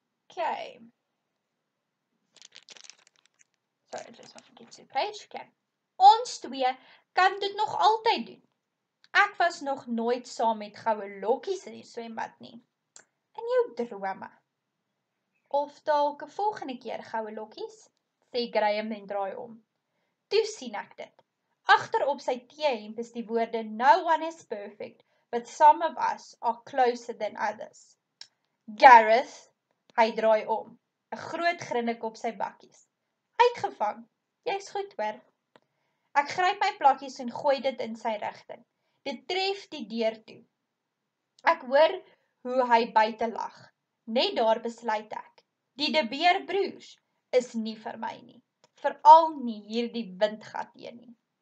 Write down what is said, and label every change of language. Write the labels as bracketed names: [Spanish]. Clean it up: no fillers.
[English] Okay. Sorry, I just want to get to the page. [Afrikaans] Okay. Ons twee kan dit nog altyd doen. Ek was nog nooit saam met Goue Lokkies in die swembad nie. In jou drome. Of dalk 'n volgende keer, Goue Lokkies, sê Graham en draai om. Toe sien ek dit. Agter op sy T-hemp is die woorde, [English] "No one is perfect, but some of us are closer than others." [Afrikaans] Gareth, hy draai om, 'n groot grinnik op sy bakkies. Uitgevang, jy's goed hoor. Ek gryp my plakkies en gooi dit in sy rigting. Dit tref die deur toe. Ek hoor hoe hy buite lag. Net daar besluit ek. Die De Beer broers is nie vir my nie. Veral nie hierdie windgat hier nie.